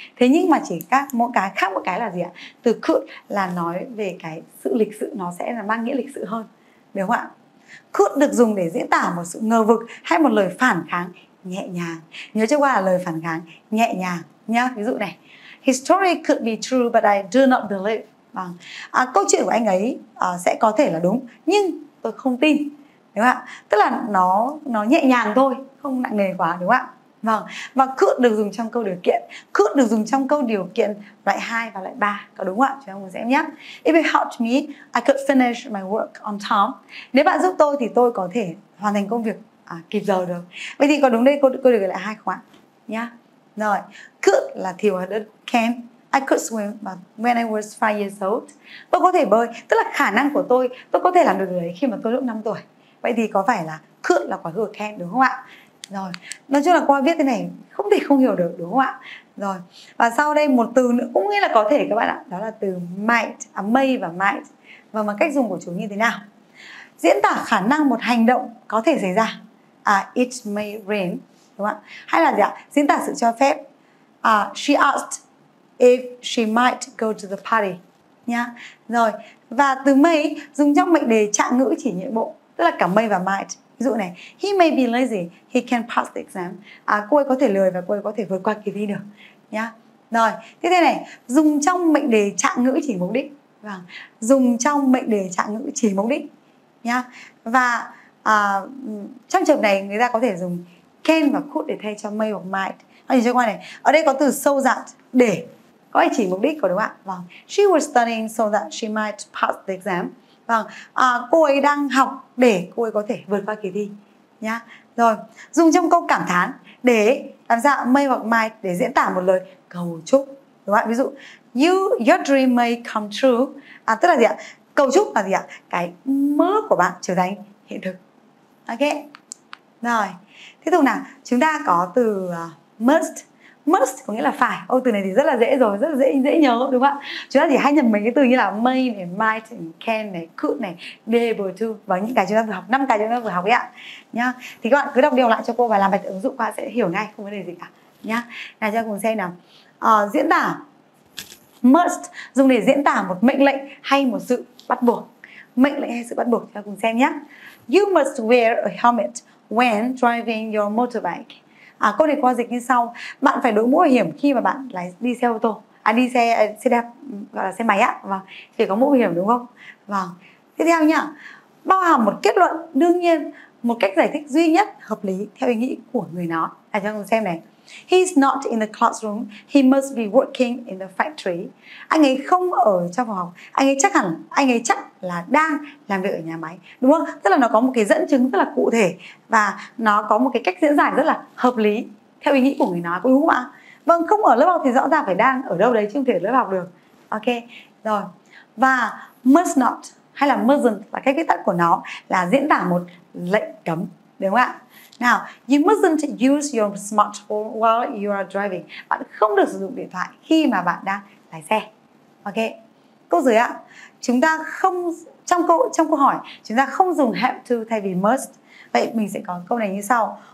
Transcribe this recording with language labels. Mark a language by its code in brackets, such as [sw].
[vi] Thế nhưng mà chỉ khác một cái là gì ạ? Từ could là nói về cái sự lịch sự, nó sẽ là mang nghĩa lịch sự hơn, đúng không ạ? Could được dùng để diễn tả một sự ngờ vực hay một lời phản kháng nhẹ nhàng. Nhớ cho Khoa là lời phản kháng nhẹ nhàng nhá. Ví dụ này. [en] His story could be true but I do not believe. [vi] Câu chuyện của anh ấy sẽ có thể là đúng nhưng tôi không tin, đúng không ạ? Tức là nó nhẹ nhàng thôi, không nặng nề quá, đúng không ạ? Vâng. Và could được dùng trong câu điều kiện. Could được dùng trong câu điều kiện loại 2 và loại 3. Có đúng không ạ? Chúng ta cùng xem nhé. [en] If it helped me, I could finish my work on time. [vi] Nếu bạn giúp tôi thì tôi có thể hoàn thành công việc kịp giờ được. Vậy thì còn đúng đây cô được gửi lại hai khoản nhá. Rồi, could là thiều hoặc can. [en] I could swim when I was 5 years old. [vi] Tôi có thể bơi, tức là khả năng của tôi có thể làm được đấy khi mà tôi lúc 5 tuổi. Vậy thì có phải là could là quá khứ của can đúng không ạ? Rồi, nói chung là qua viết thế này không thể không hiểu được đúng không ạ? Rồi, và sau đây một từ nữa cũng nghĩa là có thể các bạn ạ. Đó là từ might, may và might. Và mà cách dùng của chúng như thế nào? Diễn tả khả năng một hành động có thể xảy ra. [en] It may rain, [vi] đúng không ạ? Hay là gì ạ? Diễn tả sự cho phép. [en] She asked if she might go to the party. [vi] Nha. Rồi, và từ may dùng trong mệnh đề trạng ngữ chỉ nhượng bộ, tức là cả may và might. Ví dụ này, [en] he may be lazy, he can pass the exam. [vi] Cô ấy có thể lười và cô ấy có thể vượt qua kỳ thi được. Nha. Rồi, thế thế này, dùng trong mệnh đề trạng ngữ chỉ mục đích. Vâng, dùng trong mệnh đề trạng ngữ chỉ mục đích. Nha. Và trong trường này người ta có thể dùng can và could để thay cho may hoặc might. Nói cho qua này, ở đây có từ so that, để, có chỉ mục đích của đúng không ạ? Vâng, [en] she was studying so that she might pass the exam. [vi] Vâng, cô ấy đang học để cô ấy có thể vượt qua kỳ thi. Nha. Rồi, dùng trong câu cảm thán, để làm sao may hoặc might để diễn tả một lời cầu chúc đúng không ạ? Ví dụ [en] your dream may come true. [vi] Tức là gì ạ? Cầu chúc là gì ạ? Cái mơ của bạn trở thành hiện thực. Ok. Rồi, tiếp tục nào. Chúng ta có từ must. Must có nghĩa là phải. Ô, từ này thì rất là dễ rồi, rất là dễ nhớ đúng không ạ? Chúng ta chỉ hay nhầm mấy cái từ như là may này, might này, can này, could này, be able to và những cái chúng ta vừa học, 5 cái chúng ta vừa học ấy ạ. Nhá. Thì các bạn cứ đọc đều lại cho cô và làm bài ứng dụng qua sẽ hiểu ngay, không vấn đề gì cả. Nhá. Nào cho cùng xem nào. Diễn tả must dùng để diễn tả một mệnh lệnh hay một sự bắt buộc. Mệnh lệnh hay sự bắt buộc cho cùng xem nhé. [en] You must wear a helmet when driving your motorbike. [vi] Câu này qua dịch như sau: bạn phải đội mũ bảo hiểm khi mà bạn lái đi xe ô tô. Đi xe xe đạp gọi là xe máy á. Vâng, phải có mũ bảo hiểm đúng không? Vâng. Tiếp theo nhá. Bao hàm một kết luận đương nhiên, một cách giải thích duy nhất hợp lý theo ý nghĩ của người nó. Cho cùng xem này. [en] He's not in the classroom. He must be working in the factory. [vi] Anh ấy không ở trong phòng học. Anh ấy chắc là đang làm việc ở nhà máy, đúng không? Tức là nó có một cái dẫn chứng rất là cụ thể và nó có một cái cách diễn giải rất là hợp lý theo ý nghĩ của người nói, đúng không ạ? Vâng, không ở lớp học thì rõ ràng phải đang ở đâu đấy chứ không thể ở lớp học được. Ok, rồi. Và must not hay là mustn't là cách viết tắt của nó là diễn tả một lệnh cấm, đúng không ạ? [en] Now, you mustn't use your smartphone while you are driving. [vi] Bạn không được sử dụng điện thoại khi mà bạn đang lái xe. Ok. Câu dưới ạ. Chúng ta không trong câu hỏi, chúng ta không dùng have to thay vì must. Vậy mình sẽ có câu này như sau.